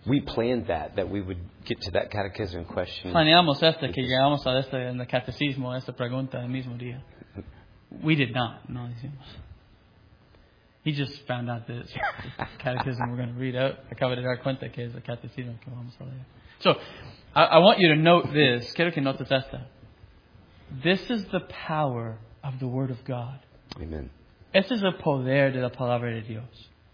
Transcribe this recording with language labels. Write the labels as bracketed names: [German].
[English] We planned that we would get to that catechism question. [Spanish] Planeamos esta, que llegamos a esta en el catecismo, esta pregunta el mismo día. [English] We did not. [Spanish] No lo hicimos. [English] He just found out this catechism we're going to read out. [Spanish] Acaba de dar cuenta que es el catecismo que vamos a leer. [English] So, I want you to note this. [Spanish] Quiero que notes esta. [English] This is the power of the Word of God. Amen. [Spanish] Este es el poder de la Palabra de Dios.